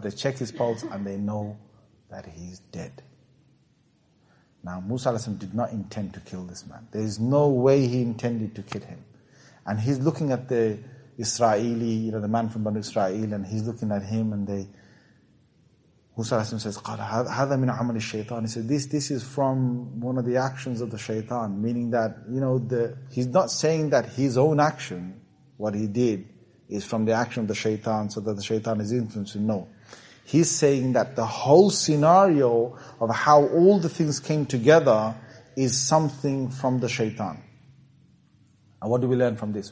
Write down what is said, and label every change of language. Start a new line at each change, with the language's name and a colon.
English: They check his pulse and they know that he's dead. Now Musa alayhi salam did not intend to kill this man. There is no way he intended to kill him. And he's looking at the Israeli, you know, the man from Banu Israel, and he's looking at him and they... Musa alayhi salam says,
Arabic: قَالَ هَذَا مِنْ عَمَلِ الشَّيْطَانِ.
English: He said, this is from one of the actions of the shaitan. Meaning that, you know, he's not saying that his own action, what he did, is from the action of the shaitan, so that the shaitan is influencing. No. He's saying that the whole scenario of how all the things came together is something from the shaitan. And what do we learn from this?